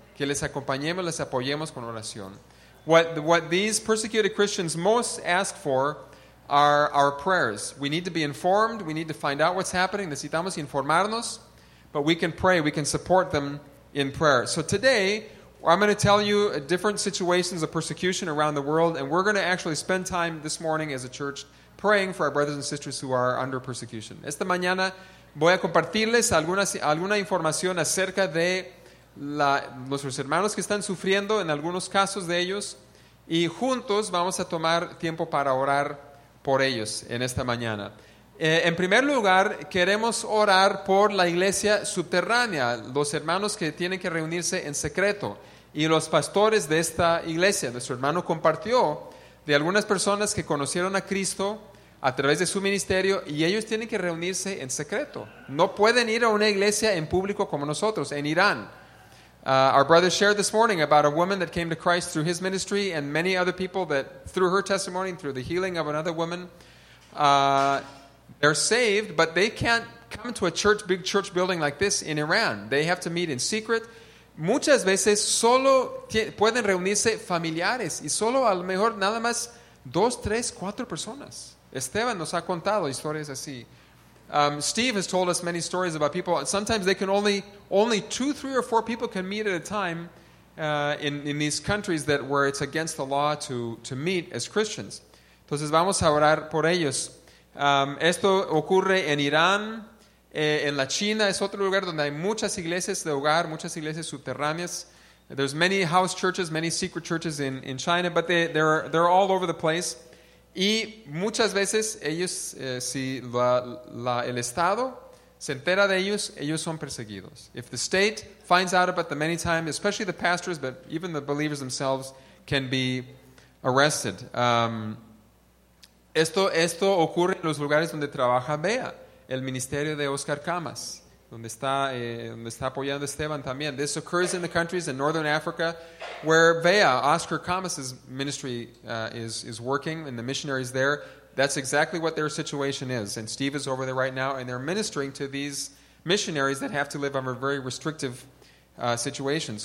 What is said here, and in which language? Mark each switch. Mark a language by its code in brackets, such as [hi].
[es] Que les acompañemos, les apoyemos con oración. [en] What these persecuted Christians most ask for are our prayers. We need to be informed. We need to find out what's happening. [es] Necesitamos informarnos. [en] But we can pray. We can support them in prayer. So today, I'm going to tell you different situations of persecution around the world. And we're going to actually spend time this morning as a church praying for our brothers and sisters who are under persecution. [es] Esta mañana voy a compartirles alguna información acerca de nuestros hermanos que están sufriendo en algunos casos de ellos, y juntos vamos a tomar tiempo para orar por ellos en esta mañana. En primer lugar, queremos orar por la iglesia subterránea, los hermanos que tienen que reunirse en secreto y los pastores de esta iglesia. Nuestro hermano compartió de algunas personas que conocieron a Cristo a través de su ministerio, y ellos tienen que reunirse en secreto. No pueden ir a una iglesia en público como nosotros en Irán. [en] Our brother shared this morning about a woman that came to Christ through his ministry, and many other people that through her testimony, through the healing of another woman, they're saved, but they can't come to a church, big church building like this in Iran. They have to meet in secret. [es] Muchas veces solo pueden reunirse familiares, y solo a lo mejor nada más dos, tres, cuatro personas. Esteban nos ha contado historias así. [en] Steve has told us many stories about people. Sometimes they can only two, three, or four people can meet at a time in these countries that where it's against the law to meet as Christians. [es] Entonces vamos a orar por ellos. Esto ocurre en Irán, en la China es otro lugar donde hay muchas iglesias de hogar, muchas iglesias subterráneas. [en] There's many house churches, many secret churches in China, but they're all over the place. [es] Y muchas veces ellos, si el Estado se entera de ellos, ellos son perseguidos. [en] If the state finds out about them any time, especially the pastors, but even the believers themselves can be arrested. [es] Esto ocurre en los lugares donde trabaja Bea, el ministerio de Oscar Camas, donde está apoyando Esteban también. [en] This occurs in the countries in northern Africa where Vea, Oscar Camas's ministry is working, and the missionaries there. That's exactly what their situation is. And Steve is over there right now, and they're ministering to these missionaries that have to live under very restrictive situations.